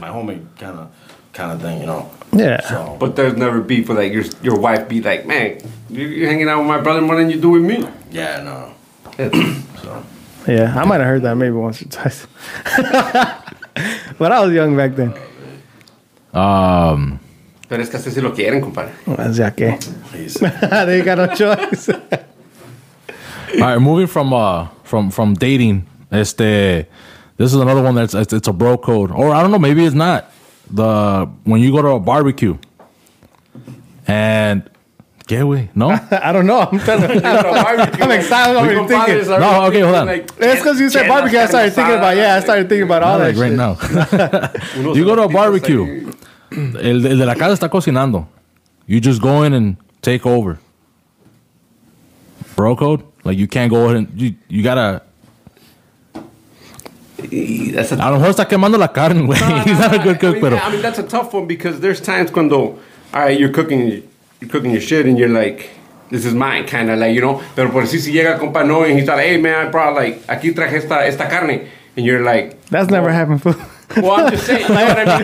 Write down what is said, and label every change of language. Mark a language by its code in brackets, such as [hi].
[en] my homie, kind of thing, you know. Yeah. So. But there's never beef for like your wife be like, man, you're hanging out with my brother more than you do with me. Yeah, no. So. Yeah, I might have heard that maybe once or twice, but I was young back then. [es] Pero es que así si lo quieren, compadre. Así que. [en] They got no choice. All right, moving from dating. This is another one that's it's a bro code, or I don't know, maybe it's not. The when you go to a barbecue, and get away, no, I don't know. I'm telling you, I'm excited. I'm already thinking. No, okay, hold on. It's because you said barbecue. I started thinking about. Yeah, I started thinking about all that. Like right shit. Now, you go to a barbecue. [es] El de la casa está cocinando. [en] You just go in and take over. Bro code, like you can't go ahead and you gotta. [es] A lo mejor está quemando la carne, güey. [en] He's not a good cook, but I mean that's a tough one because there's times when though, all right, you're cooking your shit and you're like, this is mine, kind of like, you know. [es] Pero por si llega compa no [en] and he's like, hey man, I brought like [es] aquí traje esta carne, [en] and you're like, that's never happened. Well, I'm just saying, you know what I mean?